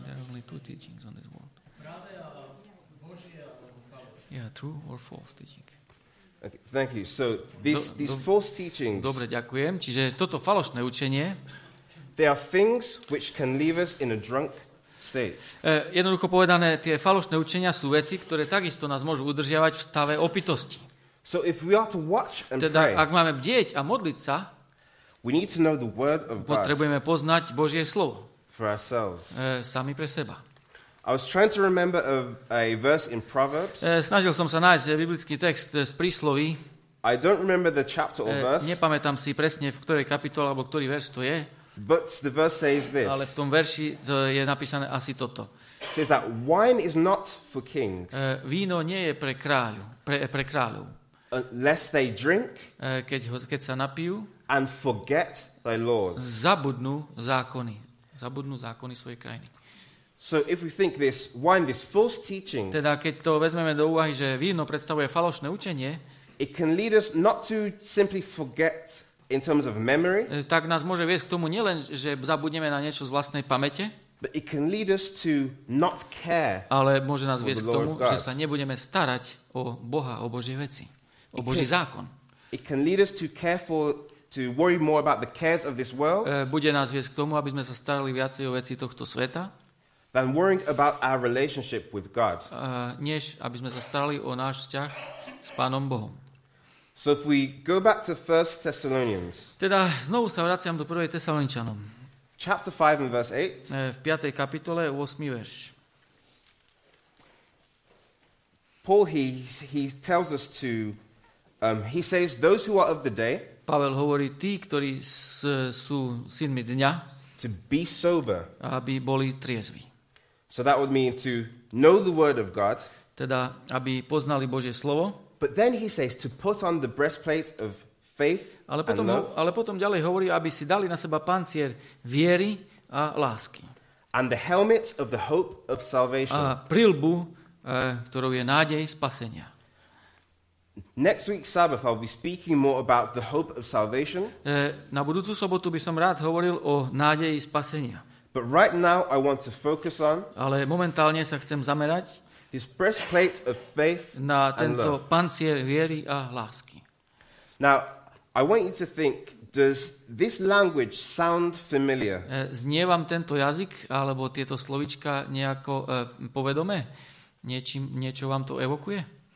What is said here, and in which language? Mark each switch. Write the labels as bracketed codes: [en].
[en] There are only two teachings on this world. Yeah, true or false teaching. Okay, thank you. So these false teachings. [sk] Dobre, ďakujem. Čiže toto falošné učenie. [en] They are things which can leave us in a drunk state. [sk] Jednoducho povedané, tie falošné učenia sú veci, ktoré takisto nás môžu udržiavať v stave opitosti. [en] So if we are to watch and [sk] teda, [en] pray. [sk] Ak máme bdieť a modliť sa. [en] We need to know the word of God. [sk] Potrebujeme poznať Božie slovo. [en] For ourselves. [sk] Sami pre seba. [en] I was trying to remember a verse in Proverbs. [sk] Snažil som sa nájsť biblický text z prísloví. [en] I don't remember the chapter or verse. [sk] Nepamätám si presne, v ktorej kapitole alebo ktorý verš to je. [en] But the verse says this. [sk] Ale v tom verši to je napísané asi toto. [en] It says that wine is not for kings. [sk] Víno nie je pre kráľu, pre kráľov. [en] Unless they drink. [sk] Keď sa napijú. [en] And forget their laws. [sk] Zabudnú zákony svojej krajiny. [en] So if we think this wine this false teaching. [sk] Teda keď to vezmeme do úvahy, že víno predstavuje falošné učenie, [en] it can lead us not to simply forget in terms of memory. [sk] Tak nás môže viesť k tomu nielen, že zabudneme na niečo z vlastnej pamäte, [en] but it can lead us to not care. [sk] Ale môže nás viesť k tomu, že sa nebudeme starať o Boha, o Božie veci, o Boží zákon. [en] It can lead us to care for to worry more about the cares of this world. [sk] Bude nás viesť k tomu, aby sme sa starali viacej o veci tohto sveta. [en] Than worrying about our relationship with God. [sk] Než aby sme sa starali o náš vzťah s Pánom Bohom. [en] So if we go back to 1 Thessalonians. [sk] Teda znovu sa vraciam do 1. Tesaloničanom. [en] Chapter 5 and verse 8. [sk] V 5. kapitole 8. verš. [en] Paul he tells us to he says those who are of the day. [sk] Pavel hovorí tí, ktorí sú synmi dňa. [en] To be sober. [sk] Aby boli triezvi. [en] So that would mean to know the word of God. [sk] Teda aby poznali Božie slovo. [en] But then he says to put on the breastplate of faith. [sk] Ale potom ďalej hovorí, aby si dali na seba pancier viery a lásky. [en] And the helmet of the hope of salvation. [sk] A prilbu, ktorou je nádej spasenia. [en] Next week Sabbath I'll be speaking more about the hope of salvation. [sk] Na budúcu sobotu by som rád hovoril o nádeji spasenia. [en] But right now I want to focus on. [sk] Ale momentálne sa chcem zamerať. [en] This breastplate of faith and love. [sk] Na tento pancier viery a lásky. [en] Now, I want you to think, does this language sound familiar? [sk] Znie vám tento jazyk alebo tieto slovička nejako povedomé? Niečo vám to evokuje?